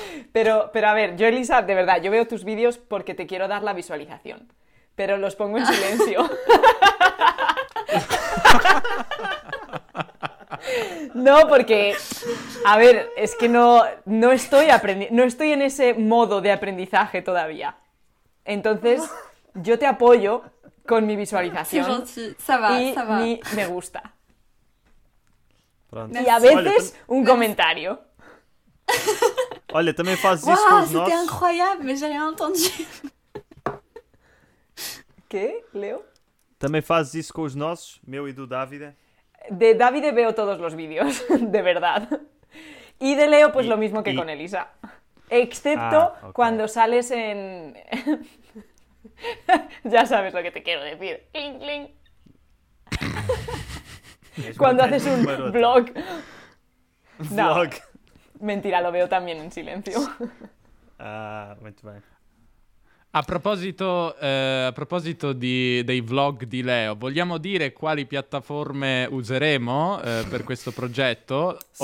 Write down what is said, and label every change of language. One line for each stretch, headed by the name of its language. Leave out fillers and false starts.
Spanish: Pero
Portuguese: a ver, eu, Elisa, de verdade, eu
Spanish: veo tus
Portuguese: vídeos porque te quero dar a visualização.
Spanish: Pero los pongo
Portuguese: em silêncio.
Spanish: No, porque, a ver, es que no estoy aprendiendo, no estoy en ese modo de aprendizaje todavía. Entonces, yo te apoyo con mi visualización y mi me gusta. Pronto. Y a veces un comentario.
Portuguese: Olha,
Spanish: también
Portuguese: fazes isso com os nossos.
French: C'était incroyable, mais j'ai rien entendu.
Spanish: ¿Qué, Leo? También
Portuguese: fazes isso com os nossos, meu
Spanish: y
Portuguese: do Davide.
Spanish: De Davide veo todos los vídeos, de verdad. Y de Leo, pues lo mismo que con Elisa. Excepto cuando sales en... ya sabes lo que te quiero decir. Inkling. Cuando haces un vlog. No. Vlog. Mentira, lo veo también en silencio. Muy bien.
Italian: A proposito dei vlog di Leo, vogliamo dire quali piattaforme useremo per questo progetto, sì.